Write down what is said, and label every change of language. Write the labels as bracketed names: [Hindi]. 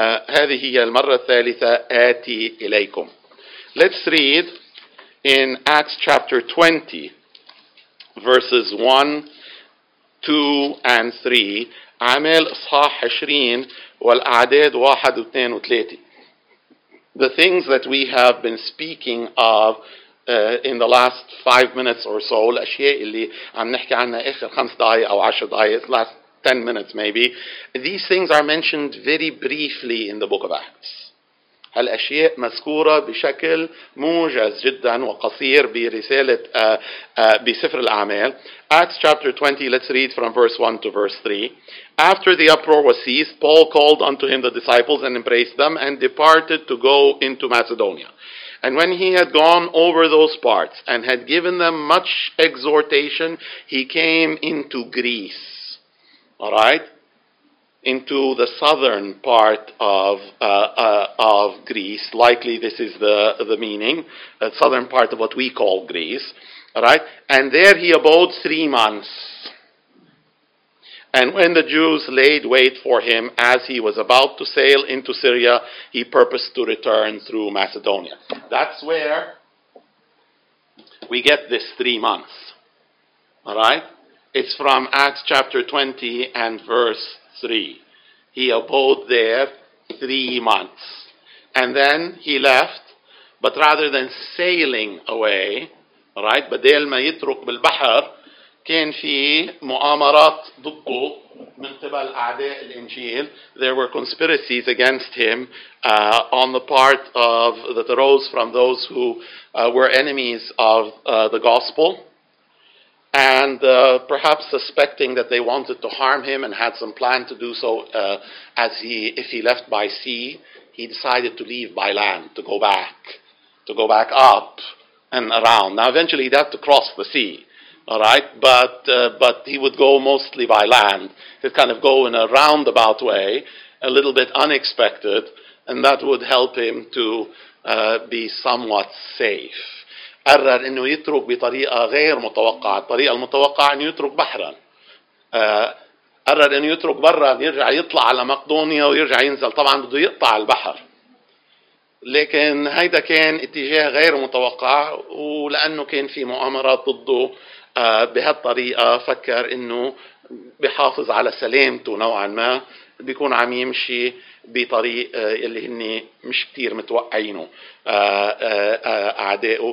[Arabic] هذه هي المرة الثالثة آتي إليكم. [English] Let's read in Acts chapter 20, verses 1, 2, and 3. [Arabic] عمل إصحاح 20 والأعداد 1 و 2 و 3. [English] The things that we have been speaking of in the last 5 minutes or so, [Arabic] الأشياء اللي عم نحكي عنها آخر 5 دقائق أو 10 دقائق, [English] last 10 minutes maybe, these things are mentioned very briefly in the book of Acts. [Arabic] هالأشياء مذكورة بشكل موجز جدا وقصير برسالة بسفر الأعمال. [English] Acts chapter 20, let's read from verse 1 to verse 3. After the uproar was ceased, Paul called unto him the disciples and embraced them and departed to go into Macedonia. And when he had gone over those parts and had given them much exhortation, he came into Greece. All right? Into the southern part of Greece. Likely this is the meaning. The southern part of what we call Greece. All right? And there he abode 3 months. And when the Jews laid wait for him as he was about to sail into Syria, he purposed to return through Macedonia. That's where we get this 3 months. All right? It's from Acts chapter 20 and verse 3. He abode there 3 months. And then he left, but rather than sailing away, right, [Arabic] بدل ما يترك بالبحر, كان في مؤامرات ضده من قبل أعداء الإنجيل. [English] There were conspiracies against him on the part of, that arose from those who were enemies of the gospel. and perhaps suspecting that they wanted to harm him and had some plan to do so, if he left by sea, he decided to leave by land, to go back up and around. Now, eventually, he'd have to cross the sea, all right? But he would go mostly by land. He'd kind of go in a roundabout way, a little bit unexpected, and that would help him to be somewhat safe. [Arabic] قرر انه يترك بطريقه غير متوقعه الطريقه المتوقعه انه يترك بحرا قرر انه يترك برا يرجع يطلع على مقدونيا ويرجع ينزل طبعا بده يقطع البحر لكن هيدا كان اتجاه غير متوقع ولانه كان في مؤامره ضده بهالطريقه فكر انه بحافظ على سلامته نوعا ما بيكون عم يمشي بطريق اللي هني مش كتير متوقعينه أعدائه.